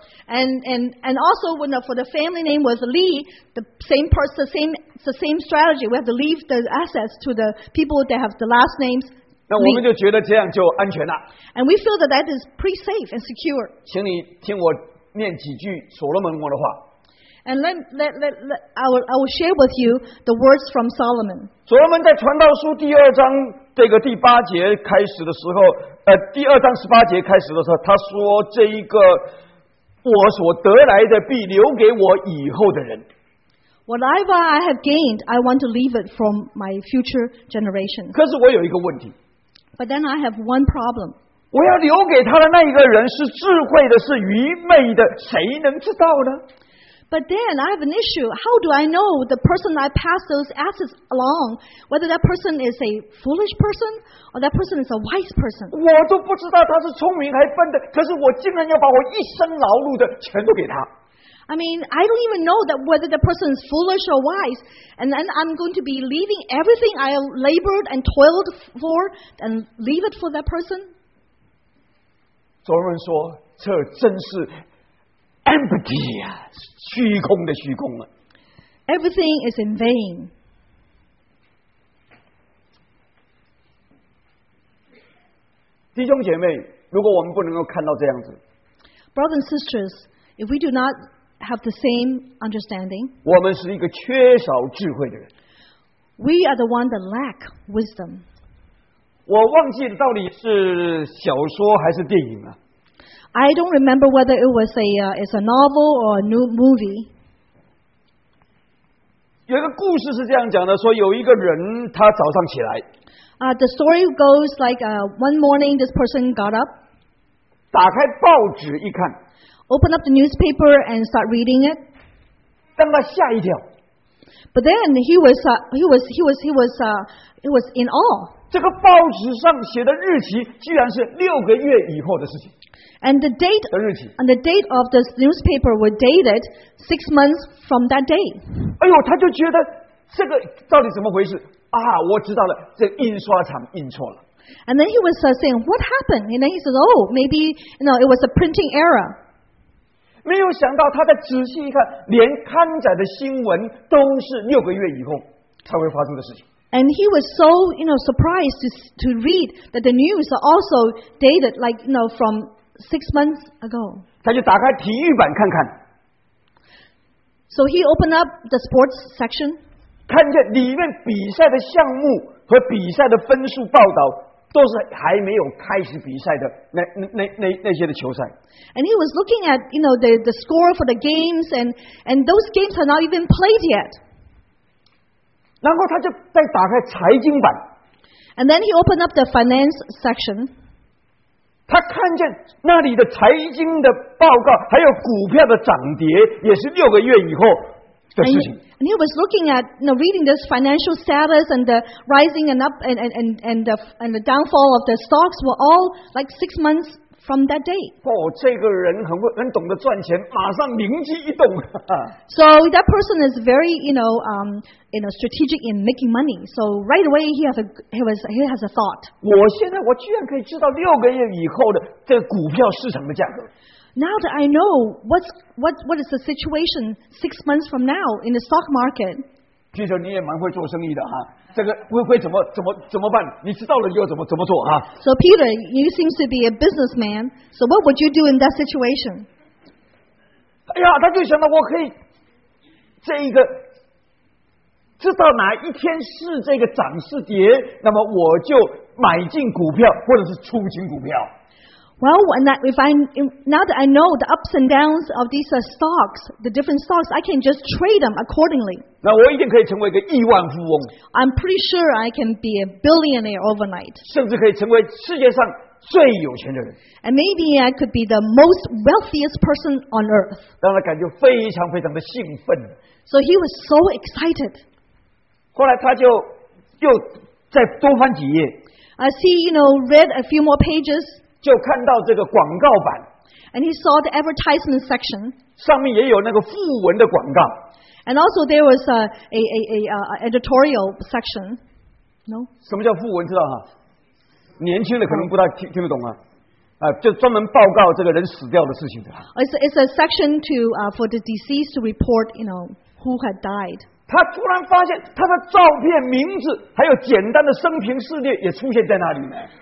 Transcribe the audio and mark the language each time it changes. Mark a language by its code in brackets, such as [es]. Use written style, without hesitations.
[en] And also when for the family name was Li, the same strategy. We have to leave the assets to the people that have the last names. [zh] 那我们就觉得这样就安全了。 [en] And we feel that is pretty safe and secure. [zh] 请你听我念几句所罗门王的话。 [en] And I will share with you the words from Solomon. [zh] 所罗门在传道书第二章这个第八节开始的时候，第二章十八节开始的时候，他说这一个我所得来的必留给我以后的人。 [en] Whatever I have gained, I want to leave it from my future generations. [zh] 可是我有一个问题。 [en] But then I have one problem. [zh] 我要留给他的那一个人是智慧的，是愚昧的，谁能知道呢？ [en] But then I have an issue. How do I know the person I pass those assets along, whether that person is a foolish person or that person is a wise person? [zh] 我都不知道他是聪明还笨的，可是我竟然要把我一生劳碌的全都给他。 [en] I mean, I don't even know that whether the person is foolish or wise, and then I'm going to be leaving everything I labored and toiled for and leave it for that person. [zh] 所罗门说，这真是Empty 啊，虚空的虚空啊。 [en] Everything is in vain. [zh] 弟兄姐妹，如果我们不能够看到这样子 [en] ，Brothers and sisters, if we do not have the same understanding, [zh] 我们是一个缺少智慧的人。 [en] We are the one that lack wisdom. [zh] 我忘记到底是小说还是电影啊。 [en] I don't remember whether it was a novel or a new movie. [zh] 有一个故事是这样讲的，说有一个人他早上起来。 [en] The story goes like one morning this person got up. [zh] 打开报纸一看。 [en] Open up the newspaper and start reading it. [zh] 让他吓一跳。 [en] But then he was in awe. [zh] 这个报纸上写的日期居然是六个月以后的事情。 [en] And the date of this newspaper was dated 6 months from that day. [zh] 哎呦，他就觉得这个到底怎么回事啊？我知道了，这印刷厂印错了。 [en] And then he was saying, "What happened?" And then he says, "Oh, maybe you know, it was a printing error." [zh] 没有想到，他再仔细一看，连刊载的新闻都是六个月以后才会发生的事情。 [en] And he was so, you know, surprised to read that the news are also dated like, you know, from6 months ago. [zh] 他就打开体育版看看。 [en] So he opened up the sports section. [zh] 看见里面比赛的项目和比赛的分数报道都是还没有开始比赛的那些的球赛。 [en] And he was looking at, you know, the score for the games and those games are not even played yet. [zh] 然后他就再打开财经版。 [en] And then he opened up the finance section. [zh] 他看见那里的财经的报告，还有股票的涨跌，也是六个月以后的事情。 [en] And he was looking at, you know, reading this financial status and the rising and up and the downfall of the stocks were all like 6 months from that day. [zh] 哦，这个人很懂得赚钱，马上灵机一动。 [en] So that person is very, you know, strategic in making money. So right away he has a thought. [zh] 我现在我居然可以知道六个月以后的这个股票是什么价格。 [en] Now that I know what is the situation 6 months from now in the stock market. [zh] 其实你也蛮会做生意的哈，这个会怎么办？你知道了又怎么做哈 [en] ？So Peter, you seem to be a businessman. So what would you do in that situation? [zh] 哎呀，他就想到我可以这一个。知道哪一天是这个涨是跌，那么我就买进股票或者是出清股票。 [en] Well, now that I know the ups and downs of these stocks, the different stocks, I can just trade them accordingly. [zh] 那我一定可以成为一个亿万富翁。 [en] I'm pretty sure I can be a billionaire overnight. [zh] 甚至可以成为世界上最有钱的人。 [en] And maybe I could be the most wealthiest person on earth. [zh] 让他感觉非常非常的兴奋。 [en] So he was so excited. [zh] 后来他就再多翻几页。 [en] As he, you know, read a few more pages. [zh] 就看到这个广告版 [en] and he saw the advertisement section. [zh] 上面也有那个附文的广告 [en] and also there was a editorial section. No. [zh] 什么叫附文？知道哈？年轻的可能不大听得懂啊。啊，就专门报告这个人死掉的事情的。 [en] It's a section to for the deceased to report, you know, who had died. [zh] 他突然发现他的照片、名字还有简单的生平事例也出现在那里呢。